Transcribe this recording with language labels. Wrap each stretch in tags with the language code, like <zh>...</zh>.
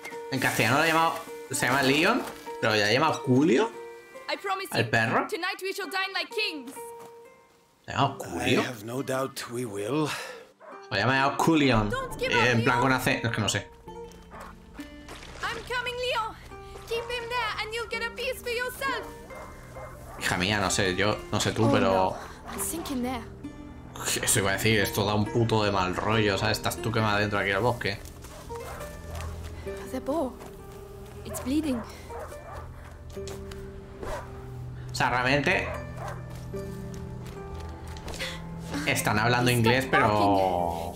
<es>En castellano lo ha llamado, se llama Leon, pero ya llama Julio.</es> <en>I promise</en> <es>el perro.</es> <en>Tonight we shall dine like kings. Julio. I have no doubt we will.</en> <es>Lo llama Julion. En plan con acento, es que no sé.</es> <en>I'm coming, Leo. Keep him there and you'll get a piece for yourself.</en> <es>Hija mía, no sé, yo no sé tú, oh, pero no. Eso iba a decir, esto da un puto de mal rollo, ¿sabes? Estás tú quemado dentro aquí al bosque.</es> <en>The boar. It's bleeding.</en> <es>O sea, realmente están hablando inglés, pero...</es>